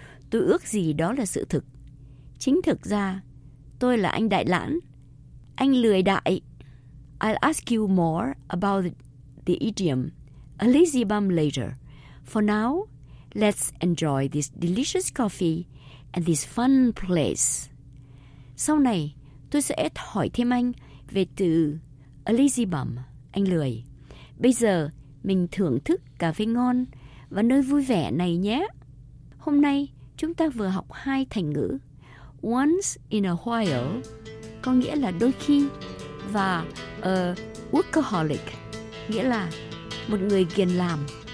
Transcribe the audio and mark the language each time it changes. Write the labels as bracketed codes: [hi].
[vi] Tôi ước gì đó là sự thực. Chính thực ra, tôi là anh đại lãn. Anh lười đại. [en] I'll ask you more about the idiom, a lazy bum later. For now, let's enjoy this delicious coffee and this fun place. [vi] Sau này, tôi sẽ hỏi thêm anh về từ [en] a lazy bum, [vi] anh lười. Bây giờ, mình thưởng thức cà phê ngon và nơi vui vẻ này nhé. Hôm nay, chúng ta vừa học hai thành ngữ. [en] Once in a while, [vi] có nghĩa là đôi khi, và [en] a workaholic, [vi] nghĩa là một người ghiền làm.